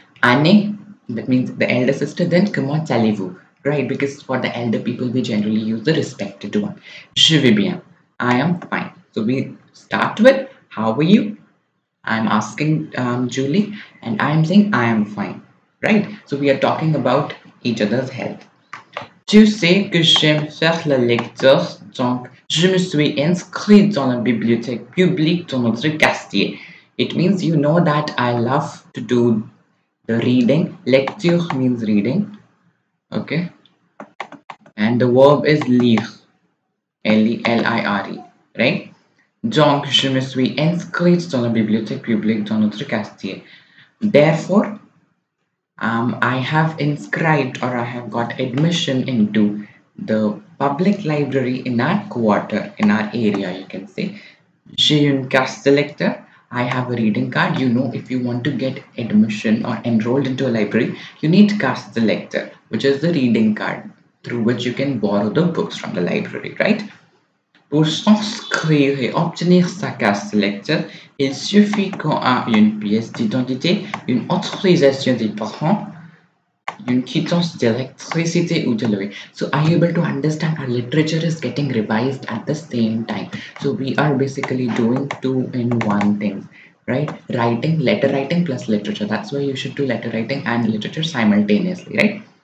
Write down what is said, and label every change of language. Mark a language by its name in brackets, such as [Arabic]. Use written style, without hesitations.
[English] Annie, that means the elder sister, then [French] comment allez-vous, [English] right? Because for the elder people, we generally use the respected one. [French] Je vais bien. [English] I am fine. So we start with, how are you? I'm asking Julie, and I'm saying I am fine, right? So we are talking about each other's health. [French] Tu sais que j'aime faire la lecture, donc je me suis inscrit dans la bibliothèque publique de notre quartier. [English] It means you know that I love to do the reading. Lecture means reading, okay? And the verb is lire, L-E-L-I-R-E, right? [French] Donc, je me suis inscrite dans la bibliothèque publique de notre quartier. [English] Therefore, I have inscribed or I have got admission into the public library in our quarter, in our area, you can say. [French] J'ai une carte de lecteur. [English] I have a reading card. You know, if you want to get admission or enrolled into a library, you need carte de lecteur, which is the reading card through which you can borrow the books from the library, right? [French] Pour s'inscrire et obtenir sa carte de lecteur, il suffit qu'on a une pièce d'identité, une autorisation des parents, une quittance d'électricité ou de loyer. [English] So, are you able to understand our literature is getting revised at the same time? So, we are basically doing two in one things, right? Writing, letter writing plus literature. That's why you should do letter writing and literature simultaneously, right?